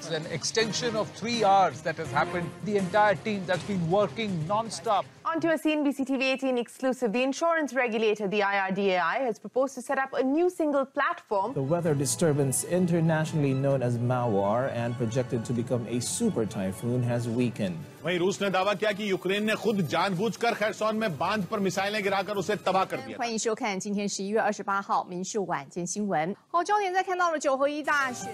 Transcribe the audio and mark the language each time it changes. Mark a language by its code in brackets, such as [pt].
[en] It's an extension of 3 hours that has happened. The entire team that's been working non-stop. On to a CNBC TV 18 exclusive. The insurance regulator, the IRDAI, has proposed to set up a new single platform. The weather disturbance, internationally known as Mawar, and projected to become a super typhoon, has weakened. [hi] वहीं रूस ने दावा किया कि Ukraine ने खुद जानबूझकर Kherson में बांध पर मिसाइलें गिराकर उसे तबाह कर दिया। [zh] 欢迎收看今天11月28号 民视晚间新闻。好，焦点再看到了九合一大学。